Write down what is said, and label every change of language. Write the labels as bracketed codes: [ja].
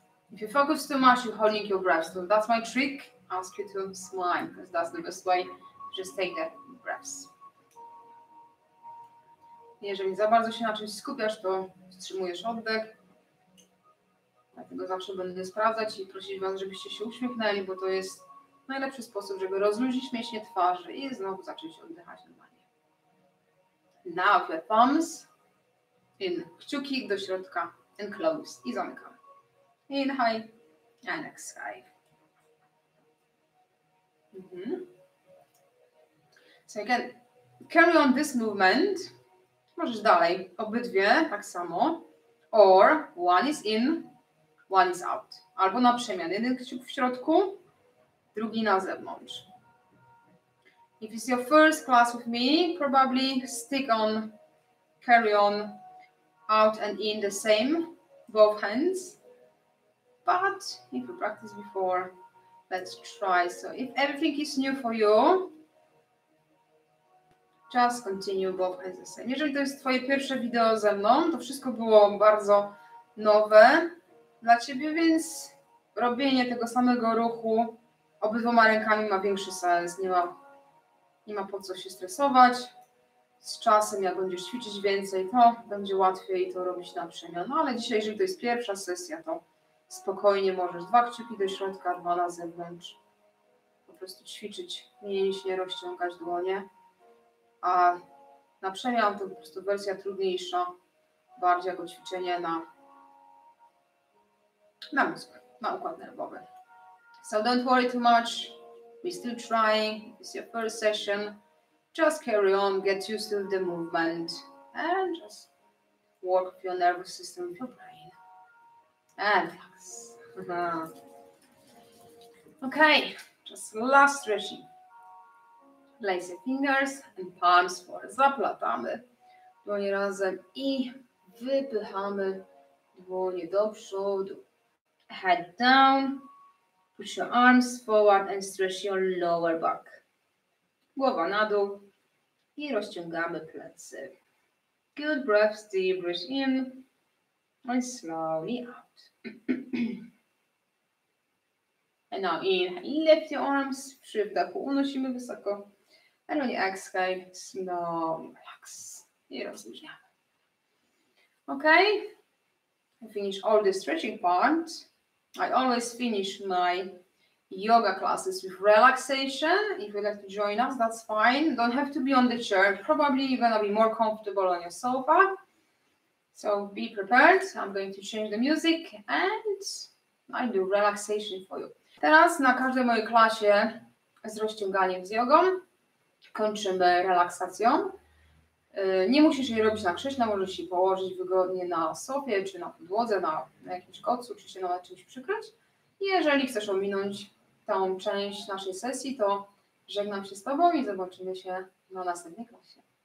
[en] If you focus too much, you're holding your breath. So that's my trick. Ask you to smile, because that's the best way. Just take that breath. [pl] Jeżeli za bardzo się na czymś skupiasz, to wstrzymujesz oddech. Dlatego zawsze będę sprawdzać i prosić was, żebyście się uśmiechnęli, bo to jest najlepszy sposób, żeby rozluźnić mięśnie twarzy i znowu zacząć oddychać normalnie. [en] Now the thumbs in, [pl] kciuki do środka, [en] and close, [pl] i zamykam. [en] Inhale, and exhale. So you can carry on this movement, [pl] możesz dalej, obydwie tak samo, [en] or one is in, one is out. [pl] Albo na przemian. Jeden kciuk w środku, drugi na zewnątrz. [en] If it's your first class with me, probably stick on, carry on, out and in the same, both hands. But if you practice before, let's try. So if everything is new for you, just continue both hands the same. [pl] Jeżeli to jest twoje pierwsze wideo ze mną, to wszystko było bardzo nowe dla ciebie, więc robienie tego samego ruchu obydwoma rękami ma większy sens. Nie ma po co się stresować. Z czasem, jak będziesz ćwiczyć więcej, to będzie łatwiej to robić na przemian. No ale dzisiaj, jeżeli to jest pierwsza sesja, to spokojnie możesz dwa kciuki do środka, dwa na zewnątrz. Po prostu ćwiczyć mięśnie, rozciągać dłonie. A na przemian to po prostu wersja trudniejsza, bardziej jako ćwiczenie na mózg, na układ nerwowy. [en] So don't worry too much, we're still trying, it's your first session. Just carry on, get used to the movement and just work with your nervous system, with your brain. And relax. Okay, just last stretching. Place your fingers and palms forward. [pl] Zaplatamy dłonie razem i wypychamy dłonie do przodu. [en] Head down, push your arms forward and stretch your lower back. [pl] Głowa na dół i rozciągamy plecy. [en] Good breath, deep breath in and slowly out. And now inhale, lift your arms, [pl] przy wdechu unosimy wysoko. [en] And when you exhale, slowly relax [pl] i rozluźniamy. [en] Okay, I finish all the stretching part. I always finish my yoga classes with relaxation. If you'd like to join us, that's fine. Don't have to be on the chair. Probably you're going to be more comfortable on your sofa. So be prepared. I'm going to change the music and I do relaxation for you. [pl] Teraz na każdej mojej klasie z rozciąganiem z jogą kończymy relaksacją. Nie musisz jej robić na krześle, możesz się położyć wygodnie na sofie, czy na podłodze, na jakimś kocu, czy się nawet czymś przykryć. Jeżeli chcesz ominąć tą część naszej sesji, to żegnam się z tobą i zobaczymy się na następnej klasie.